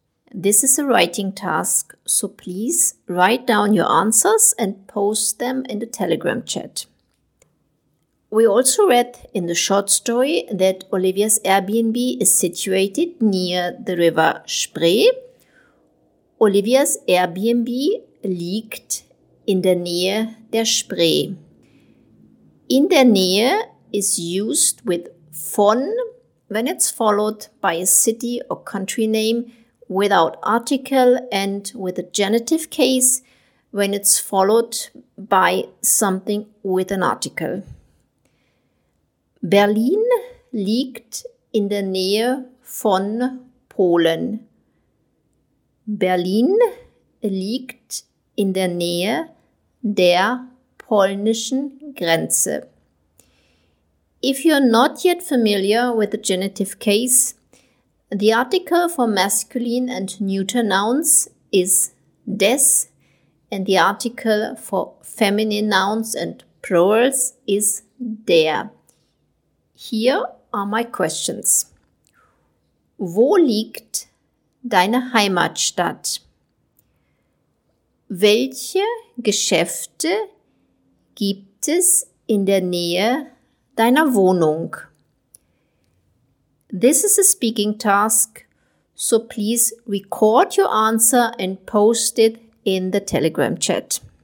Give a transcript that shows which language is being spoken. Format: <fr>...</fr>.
<en>This is a writing task, so please write down your answers and post them in the Telegram chat. We also read in the short story that Olivia's Airbnb is situated near the river Spree.</en> <de>Olivia's Airbnb liegt in der Nähe der Spree. In der Nähe</de> <en>is used with von when it's followed by a city or country name without article and with a genitive case, when it's followed by something with an article.</en> <de>Berlin liegt in der Nähe von Polen. Berlin liegt in der Nähe der polnischen Grenze.</de> <en>If you're not yet familiar with the genitive case, the article for masculine and neuter nouns is des, and the article for feminine nouns and plurals is der. Here are my questions.</en> <de>Wo liegt deine Heimatstadt? Welche Geschäfte gibt es in der Nähe deiner Wohnung?</de> <en>This is a speaking task, so please record your answer and post it in the Telegram chat.</en>